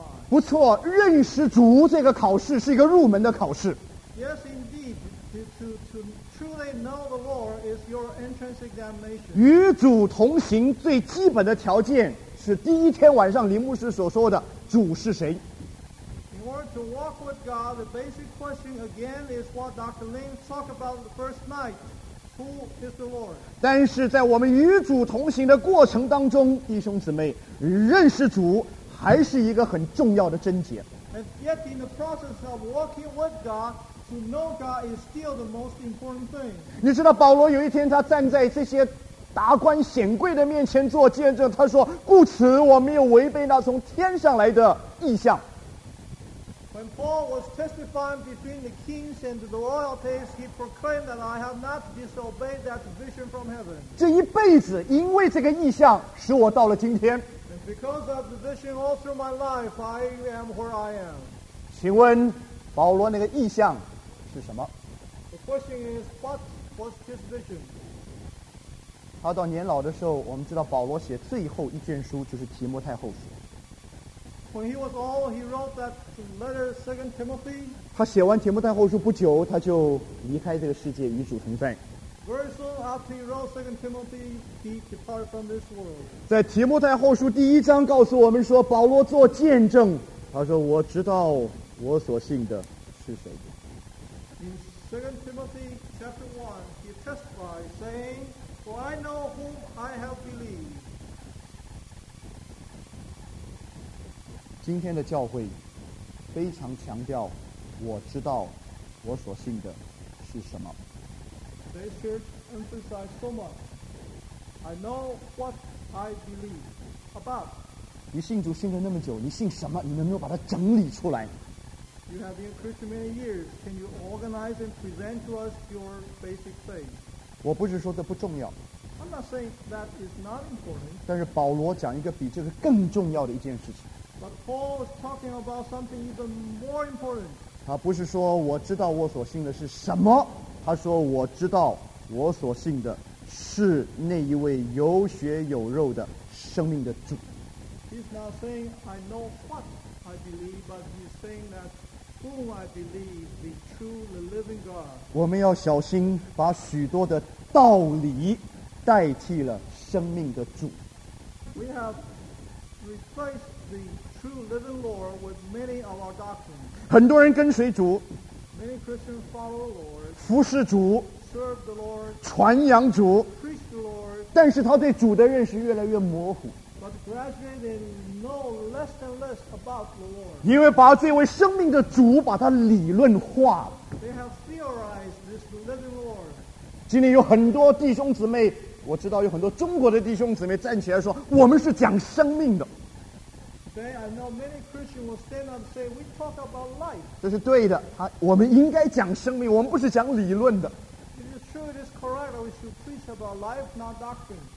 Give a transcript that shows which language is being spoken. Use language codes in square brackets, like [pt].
[zh] 不错，认识主这个考试是一个入门的考试。 [en] Yes, indeed, to truly know the Lord is your entrance examination. [zh] 与主同行最基本的条件是第一天晚上林牧师所说的主是谁。 [en] In order to walk with God, the basic question again is what Dr. Lin talked about the first night. Who is the Lord? [zh] 但是在我们与主同行的过程当中，弟兄姊妹，认识主还是一个很重要的症结。 [en] And yet in the process of walking with God, to know God is still the most important thing. [zh] 你知道保罗有一天他站在这些达官显贵的面前做见证，他说，故此我没有违背那从天上来的意象。 [en] When Paul was testifying between the kings and the royalties, he proclaimed that I have not disobeyed that vision from heaven. [zh] 这一辈子因为这个意象使我到了今天。 [en] Because of the vision all through my life, I am where I am. [zh] 请问保罗那个意象是什么？ [en] The question is, what was his vision? [zh] 他到年老的时候，我们知道保罗写最后一卷书就是提摩太后书。 [en] When he was old, he wrote that letter, 2 Timothy. [zh] 他写完提摩太后书不久，他就离开这个世界，与主同在。 [en] Very soon after he wrote 2 Timothy, he departed from this world. [zh] 在提摩太后书第一章告诉我们说，保罗做见证，他说，我知道我所信的是谁。 [en] In 2 Timothy chapter 1, he testified, saying, For I know whom I have believed. [zh] 今天的教会非常强调，我知道我所信的是什么。 [en] This church emphasizes so much. I know what I believe about. [zh] 你信主信了那么久，你信什么？你能不能把它整理出来？ [en] You have been a Christian many years. Can you organize and present to us your basic faith? [zh] 我不是说这不重要。 [en] I'm not saying that is not important. [zh] 但是保罗讲一个比这个更重要的一件事情。 [en] But Paul is talking about something even more important. [zh] 他不是说我知道我所信的是什么。他说：“我知道，我所信的是那一位有血有肉的生命的主。” [en] He's not saying I know what I believe, but he's saying that whom I believe, the true, the living God. [zh] 我们要小心把许多的道理代替了生命的主。 [en] We have replaced the true living Lord with many of our doctrines. [zh] 很多人跟随主。 [en] Many Christians follow the Lord, [zh] 服侍主 [en] serve the Lord, [zh] 传扬主 [en] preach the Lord, [zh] 但是他对主的认识越来越模糊 [en] but gradually they know less and less about the Lord. [zh] 因为把这位生命的主把它理论化了 [en] They have theorized this living Lord. [zh] 今天有很多弟兄姊妹，我知道有很多中国的弟兄姊妹站起来说，我们是讲生命的。 [en] Today, I know many Christians will stand up and say, we talk about life. [zh] 这是对的，我们应该讲生命，我们不是讲理论的。 [en] It is true, it is correct, we should preach about life, not doctrine.